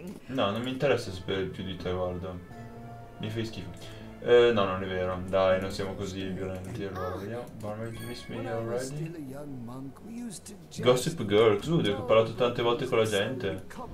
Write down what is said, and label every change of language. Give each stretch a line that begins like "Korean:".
Italian: No, non mi interessa sapere più di te, guarda. Mi fai schifo. No, non è vero. Dai, non siamo così violenti. Allora, vediamo.
English: Barmaid, you miss me already?
Italian: Gossip Girl, tu, che ho parlato tante volte con la gente.